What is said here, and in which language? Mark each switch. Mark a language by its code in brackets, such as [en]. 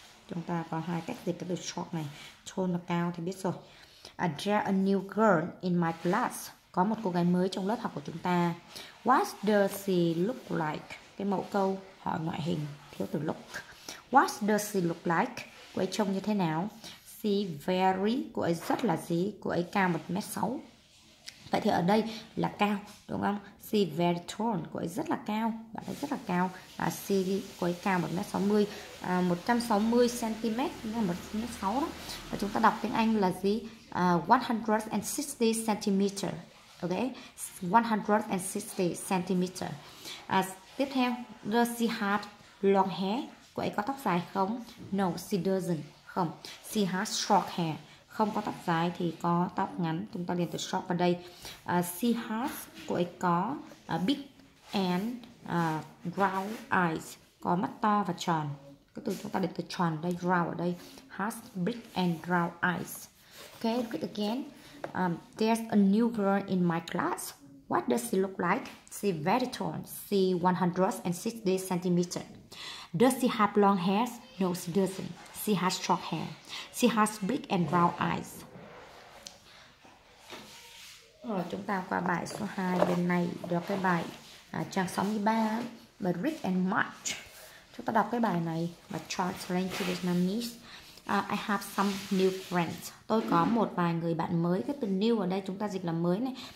[vi] Chúng ta có hai cách dịch cái từ short này. Tall là cao thì biết rồi. [en] I draw a new girl in my class. [vi] Có một cô gái mới trong lớp học của chúng ta. [en] What does she look like? [vi] Cái mẫu câu hỏi ngoại hình thiếu từ look. [en] What does she look like? [vi] Cô ấy trông như thế nào? [en] She very, [vi] cô ấy rất là gì? Cô ấy cao 1m6. Vậy thì ở đây là cao, đúng không? [en] She very tall, [vi] cô ấy rất là cao. Bạn ấy rất là cao. Và she, cô ấy cao 1m60, 160cm, 1m6 đó. Và chúng ta đọc tiếng Anh là gì? [en] 160cm. Ok, 160cm. Tiếp theo, does she have long hair? [vi] Cô ấy có tóc dài không? [en] No, she doesn't. [vi] Không, [en] she has short hair. [vi] Không có tóc dài thì có tóc ngắn. Chúng ta liền từ short vào đây. [en] She has, [vi] cô ấy có [en] big and round eyes. [vi] Có mắt to và tròn. Cái từ chúng ta liền từ tròn đây, round ở đây. [en] Has big and round eyes. Ok, look it again. There's a new girl in my class. What does she look like? She very tall. She 160cm. Does she have long hair? No, she doesn't. She has short hair. She has big and round eyes. [vi] Rồi, chúng ta qua bài số 2 bên này. Đó cái bài trang 63. [en] But Rick and March. [vi] Chúng ta đọc cái bài này. [en] Và chart lên to Vietnamese. I have some new friends. [vi] Tôi có một vài người bạn mới. Cái từ new ở đây chúng ta dịch là mới này.